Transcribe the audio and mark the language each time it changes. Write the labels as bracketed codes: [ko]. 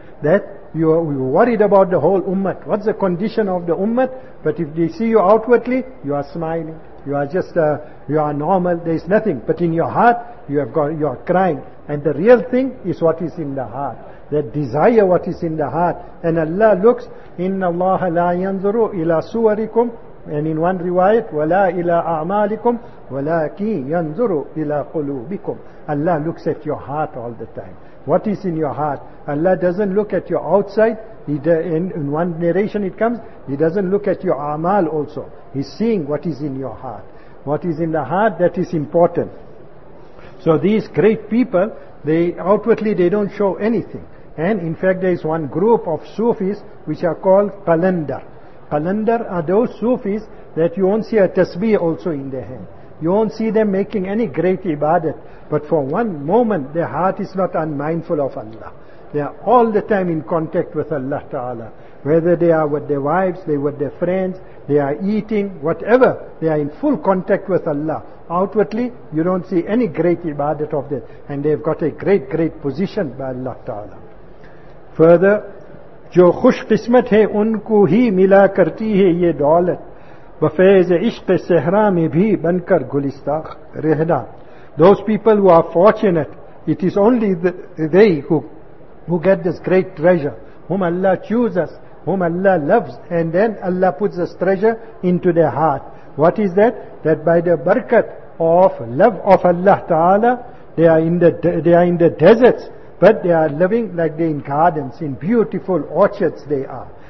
[en] That you are worried about the whole ummah. What's the condition of the ummah? But if they see you outwardly, you are smiling. You are just, you are normal, there is nothing. But in your heart, you are crying. And the real thing is what is in the heart. That desire what is in the heart. And Allah looks, [ar] إِنَّ اللَّهَ لَا يَنْظُرُ إِلَى سُوَرِكُمْ. [en] And in one riwayat, [ar] وَلَا إِلَى أَعْمَالِكُمْ وَلَا كِي يَنْظُرُ إِلَى قُلُوبِكُمْ. [en] Allah looks at your heart all the time. What is in your heart? Allah doesn't look at your outside. In one narration it comes, He doesn't look at your amal also. He's seeing what is in your heart. What is in the heart, that is important. So these great people, they outwardly they don't show anything. And in fact there is one group of Sufis which are called Qalandar. Qalandar are those Sufis that you won't see a tasbih also in their hand. You won't see them making any great ibadat. But for one moment their heart is not unmindful of Allah. They are all the time in contact with Allah Ta'ala. Whether they are with their wives, they with their friends, they are eating, whatever, they are in full contact with Allah. Outwardly, you don't see any great ibadat of them. And they've got a great, great position by Allah Ta'ala. Further, [ur] جو خوش قسمت ہے ان کو ہی ملا کرتی ہے یہ دولت وفیض عشق صحرا میں بھی بن کر گلستا رہنا. [en] Those people who are fortunate, it is only they who get this great treasure, whom Allah chooses, whom Allah loves, and then Allah puts this treasure into their heart. What is that? That by the barakat of love of Allah Ta'ala, they are in the deserts, but they are living like they in gardens, in beautiful orchards they are.